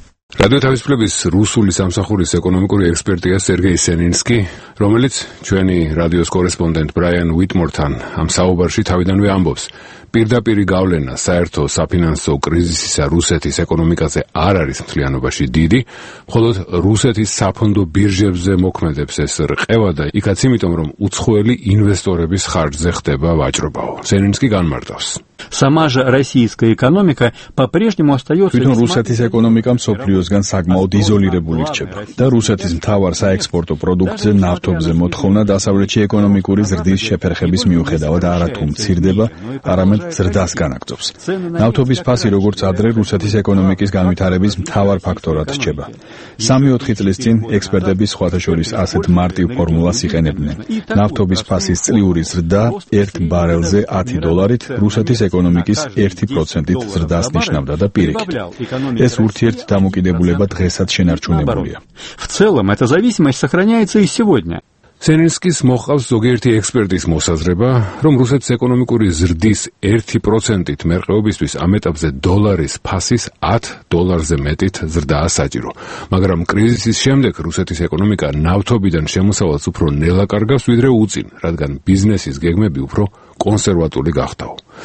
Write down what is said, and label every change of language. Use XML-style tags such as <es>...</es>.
<ka>რადიო თავისუფლების რუსული სამსახურის ეკონომიკური ექსპერტია სერგეი სენინსკი, რომელიც ჩვენი რადიოს კორესპონდენტ ბრაიან უიტმორთან ამ საუბარში თავიდანვე ამბობს, პირდაპირი გავლენა საერთო საფინანსო კრიზისისა რუსეთის ეკონომიკაზე არ არის მთლიანობაში დიდი, მხოლოდ რუსეთის საფონდო ბირჟებზე მოქმედებს ეს რყევა და იქაც იმიტომ, რომ უცხოელი ინვესტორების ხარჯზე ხდება ვაჭრობაო. სენინსკი განმარტავს.</ka> <ru>Сама же российская экономика по-прежнему остаётся</ru> <ka>ისეთი რუსეთის ეკონომიკა მსოფლიოსგან საკმაოდ იზოლირებული რჩება და რუსეთის მთავარ საექსპორტო პროდუქტზე ნავთობზე მოთხოვნა დასავლეთში ეკონომიკური ზრდის შეფერხების მიუხედავად არათუ მცირდება, არამედ ზრდას განაგრძობს. ნავთობის ფასი, როგორც ადრე, რუსეთის ეკონომიკის განვითარების მთავარ ფაქტორად რჩება. 3-4 წლის წინ ექსპერტები სხვათაშორის ასეთ მარტივ ფორმულას იყენებდნენ: ნავთობის ფასის წლიური ზრდა 1 ბარელზე $10-ით რუსეთის ეკონომიკის 1%-ით ზრდას ნიშნავდა და პირიქით. ეს ურთიერთ დამოკიდებულება დღესაც შენარჩუნებულია.</ka> <ru>В целом эта зависимость сохраняется и сегодня.</ru> <ka>Сенинскис მოყავს ზოგიერთი ექსპერტის მოსაზრება, რომ რუსეთის ეკონომიკური ზრდის 1%-ით მერყეობისთვის ამ ეტაპზე დოლარის ფასის $10-ზე მეტით ზრდაა საჭირო. მაგრამ კრიზისის შემდეგ რუსეთის ეკონომიკა ნავთობიდან შემოსავალს უფრო ნელაკარგავს ვიდრე უწინ, რადგან ბიზნესის გეგმები უფრო კონსერვატული გახდაო.</ka>